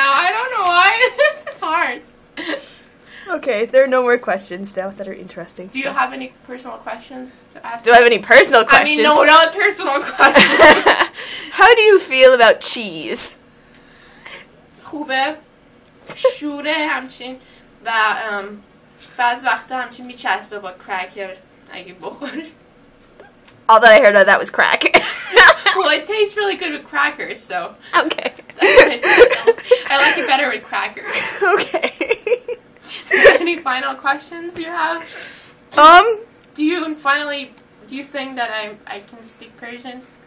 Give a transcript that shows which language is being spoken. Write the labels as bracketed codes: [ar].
[en] I don't know why. This is hard. Okay, there are no more questions now that are interesting. Do you have any personal questions to ask? Do I have any personal questions? I mean, no, not personal questions. How do you feel about cheese? [fa] خوبه. شوره همچین. و بعض وقتا همچین میچسبه با کرکر اگه بخوری. [en] All that I heard of that was crack. Well, it tastes really good with crackers, so. Okay. I like it better with crackers. Okay. Any final questions you have? Do you think that I can speak Persian?